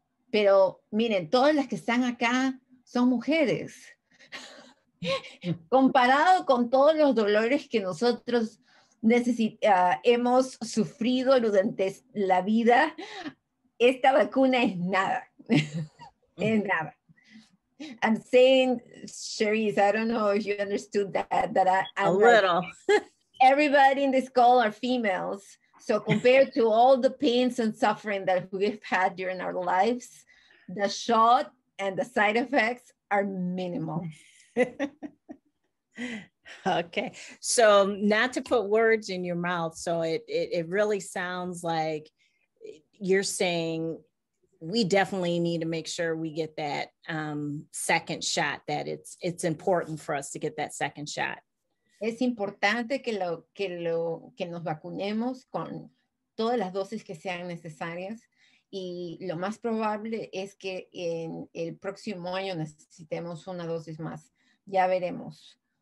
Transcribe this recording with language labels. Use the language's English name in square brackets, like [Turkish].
[Spanish] Pero miren, todas las que están acá son mujeres. Comparado con todos los dolores que nosotros hemos sufrido durante la vida, esta vacuna es nada. Es nada. [English] I'm saying, Cherise, I don't know if you understood that I'm a little. Everybody in this call are females. So compared to all the pains and suffering that we've had during our lives, the shot and the side effects are minimal. Okay. So not to put words in your mouth. So it really sounds like you're saying we definitely need to make sure we get that second shot, that it's important for us to get that second shot. [Spanish] Es importante que nos vacunemos con todas las dosis que sean necesarias. Y lo más probable es que en el próximo año necesitemos una dosis más. Ya veremos.